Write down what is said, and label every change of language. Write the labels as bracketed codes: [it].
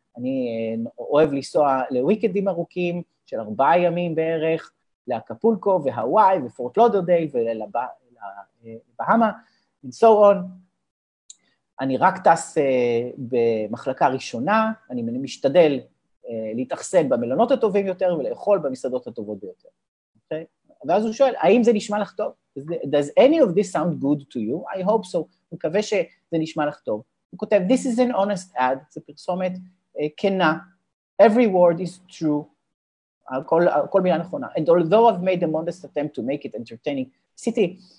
[he] אני אוהב לנסוע לוויקנדים ארוכים של 4 ימים בערך, לאקפולקו והוואי ופורט לודרדייל ולבהמה, [en] and so on. [he] אני רק טס במחלקה ראשונה, אני משתדל להתאכסן במלונות הטובים יותר ולאכול במסעדות הטובות ביותר. Okay? ואז הוא שואל, האם זה נשמע לך טוב? [en] Does any of this sound good to you? I hope so. [he] מקווה שזה נשמע לך טוב. [en] הוא כותב, this is an honest ad, [he] זה פרסומת, כנה, [en] every word is true, [he] כל מילה נכונה, [en] and although I've made a modest attempt to make it entertaining, עשיתי